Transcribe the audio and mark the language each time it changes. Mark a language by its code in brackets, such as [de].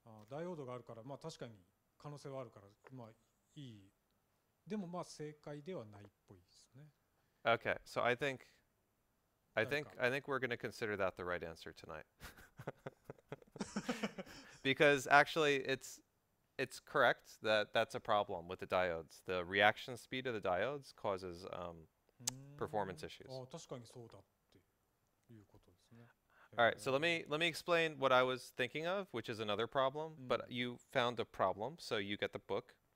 [ja] ダイオードがあるから、まあ確かに可能性はあるから、まあいい。でもまあ正解ではないっぽいですね。 [en] Okay, so I think we're going to consider that the right answer tonight. Because actually it's correct that that's a problem with the diodes. The reaction speed of the diodes causes performance issues. [ja] ああ、確かにそうだっていうことですね。 [en] All right, so let me explain what I was thinking of, which is another problem, but you found a problem, so you get the book.